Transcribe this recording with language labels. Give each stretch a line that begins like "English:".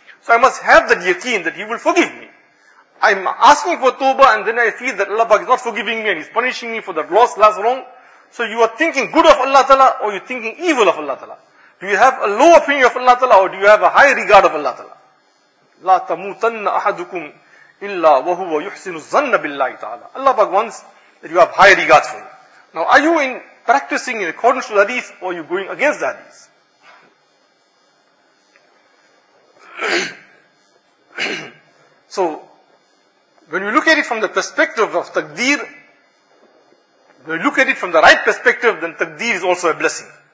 English: So I must have that yaqeen that He will forgive me. I'm asking for tawbah and then I feel that Allah Pak is not forgiving me and He's punishing me for that last wrong. So you are thinking good of Allah Ta'ala or you're thinking evil of Allah Ta'ala. Do you have a low opinion of Allah Ta'ala or do you have a high regard of Allah Ta'ala?
Arabic: لا تموتن أحدكم إلا وهو يحسن الظن بالله تعالى.
English: Allah Pak wants that you have high regard for Him. Now are you in practicing in accordance with hadith or are you going against the hadith? So, when you look at it from the perspective of takdeer, when you look at it from the right perspective, then takdeer is also a blessing.